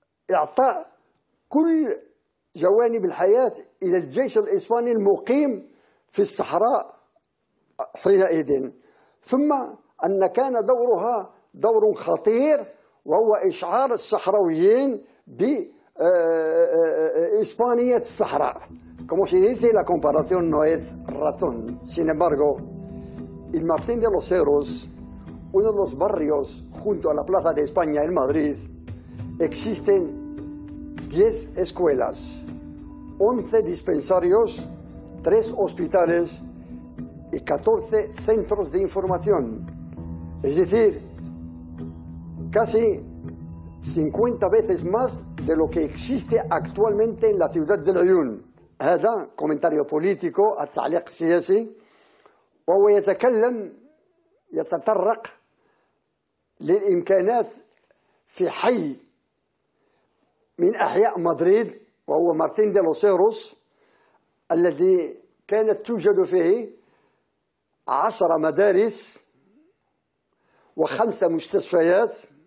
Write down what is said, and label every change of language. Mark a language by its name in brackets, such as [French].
[Arabic] إعطاء كل جوانب الحياة إلى الجيش الإسباني المقيم في الصحراء حينئذ، ثم أن كان دورها دور خطير وهو إشعار الصحراويين بإسبانية الصحراء. [Spanish] كما شديث la comparación no es razón. Sin embargo, el Martín de los Cerros, uno de los barrios junto a la Plaza de España en Madrid, existen 10 escuelas, 11 dispensarios, 3 hospitales y 14 centros de información. Es decir, casi 50 veces más de lo que existe actualmente en la ciudad de Leyún. [Arabic] Hada, comentario político, at-ta'liq siyasi, wa huwa yatakallam, yatatarraq, lil-imkanat fi hayy من أحياء مدريد وهو مارتين دي لوس إيروس الذي كانت توجد فيه 10 مدارس وخمسة مستشفيات